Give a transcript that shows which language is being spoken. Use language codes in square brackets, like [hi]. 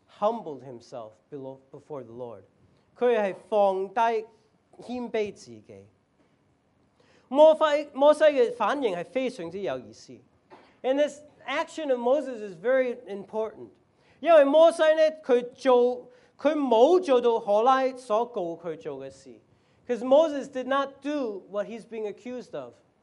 [en] Humbled himself before the Lord. [zh] 他是放低謙卑自己。摩西的反應是非常有意思。 [en] And this action of Moses is very important. [zh] 因為摩西呢，他沒有做到何拉所告他做的事。 [en] Because Moses did not do what he's being accused of.